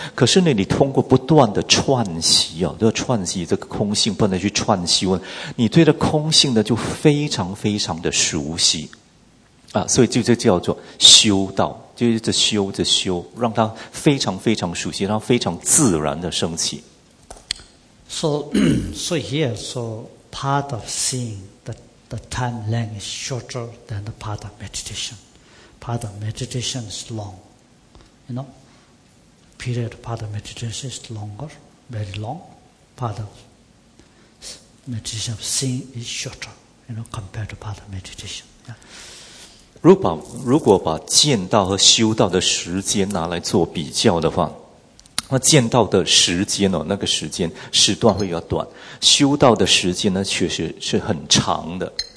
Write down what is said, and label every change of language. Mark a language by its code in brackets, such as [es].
[zh] 可是呢，你通过不断的串习啊，这串习这个空性，不断的去串修，你对这空性呢就非常非常的熟悉啊。所以就这叫做修道。就是修着修，让它非常非常熟悉，让它非常自然的升起。 [en] So here, so part of seeing the time length is shorter than the part of meditation. Part of meditation is long, you know. Period part of meditation is longer, very long. Part of meditation of seeing is shorter, you know, compared to part of meditation. [zh] 如果把见到和修道的时间拿来做比较的话，那见到的时间哦，那个时间时段会比较短，修道的时间呢，确实是很长的。